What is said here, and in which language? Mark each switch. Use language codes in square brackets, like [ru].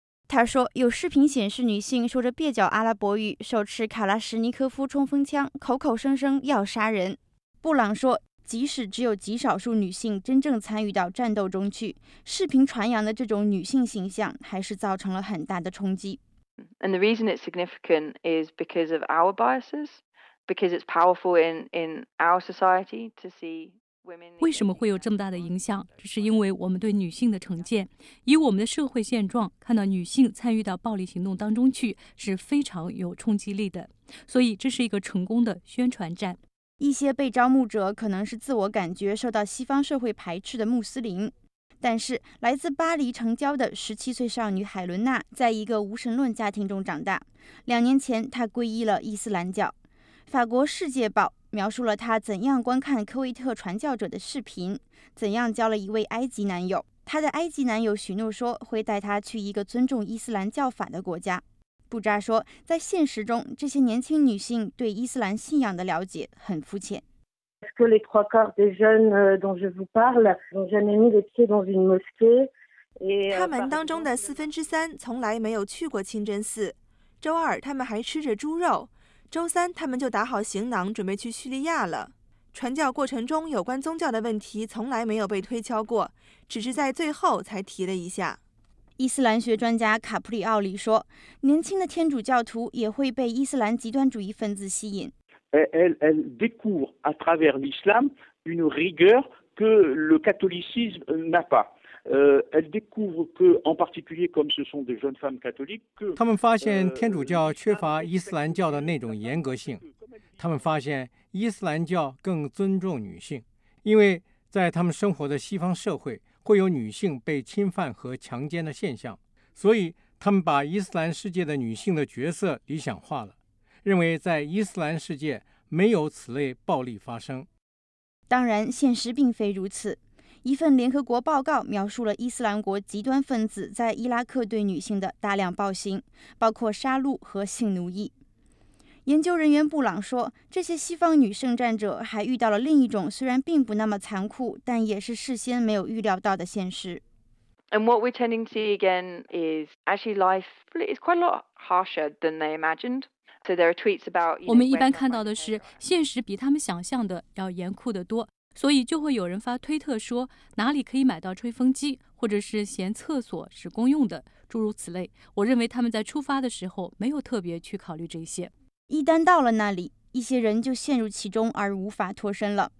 [zh] 他说，有视频显示女性说着蹩脚阿拉伯语，手持卡拉什尼科夫冲锋枪，口口声声要杀人。布朗说，即使只有极少数女性真正参与到战斗中去，视频传扬的这种女性形象还是造成了很大的冲击。 [en] And the reason it's significant is because of our biases, because it's powerful in our society to see women. [zh] 为什么会有这么大的影响？这是因为我们对女性的成见。以我们的社会现状，看到女性参与到暴力行动当中去是非常有冲击力的。所以这是一个成功的宣传战。一些被招募者可能是自我感觉受到西方社会排斥的穆斯林。但是来自巴黎城郊的17岁少女海伦娜在一个无神论家庭中长大，2年前她皈依了伊斯兰教。法国世界报描述了她怎样观看科威特传教者的视频，怎样交了一位埃及男友，她的埃及男友许诺说会带她去一个尊重伊斯兰教法的国家。布扎说，在现实中这些年轻女性对伊斯兰信仰的了解很肤浅。 [fr] Est-ce que les trois quarts des jeunes dont je vous parle n'ont jamais mis les pieds dans une mosquée ? [zh] 他们当中的四分之三从来没有去过清真寺。周二他们还吃着猪肉，周三他们就打好行囊准备去叙利亚了。传教过程中有关宗教的问题从来没有被推敲过，只是在最后才提了一下。伊斯兰学专家卡普里奥里说，年轻的天主教徒也会被伊斯兰极端主义分子吸引。 [fr] Elle découvre à travers l'islam une rigueur que le catholicisme n'a pas. Elle découvre que, en particulier, comme ce sont des jeunes femmes catholiques, [zh] 他们发现天主教缺乏伊斯兰教的那种严格性。他们发现伊斯兰教更尊重女性，因为在他们生活的西方社会会有女性被侵犯和强奸的现象，所以他们把伊斯兰世界的女性的角色理想化了。认为在伊斯兰世界没有此类暴力发生。当然现实并非如此。一份联合国报告描述了伊斯兰国极端分子在伊拉克对女性的大量暴行，包括杀戮和性奴役。研究人员布朗说，这些西方女圣战者还遇到了另一种虽然并不那么残酷但也是事先没有预料到的现实。 [en] And what we're tending to see again is actually life is quite a lot harsher than they imagined. [zh] 我们一般看到的是现实比他们想象的要严酷得多，所以就会有人发推特说哪里可以买到吹风机，或者是嫌厕所是公用的，诸如此类。我认为他们在出发的时候没有特别去考虑这些。一旦到了那里，一些人就陷入其中而无法脱身了。